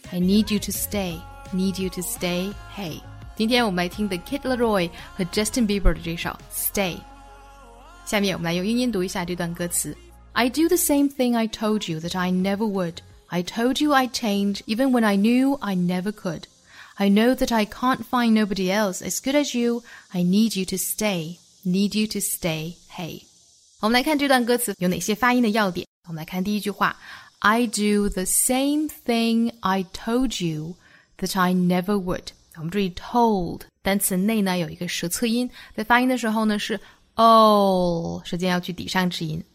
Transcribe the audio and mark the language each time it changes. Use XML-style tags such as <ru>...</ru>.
<en>I do the same thing I told you that I never would.</en> <zh>Hey, 今天我们来听 The Kid Laroi 和 Justin Bieber 的这首 Stay。下面我们来用英音读一下这段歌词。</zh> <en>I do the same thing I told you that I never would. I told you I'd change even when I knew I never could. I know that I can't find nobody else as good as you. I need you to stay. Need you to stay. Hey.</en> <zh>我们来看这段歌词有哪些发音的要点。我们来看第一句话。</zh> <en>I do the same thing I told you that I never would.</en> <zh>我们注意 told, 单词内呢有一个舌侧音。在发音的时候呢是 all, 舌尖要去抵上齿音。</zh>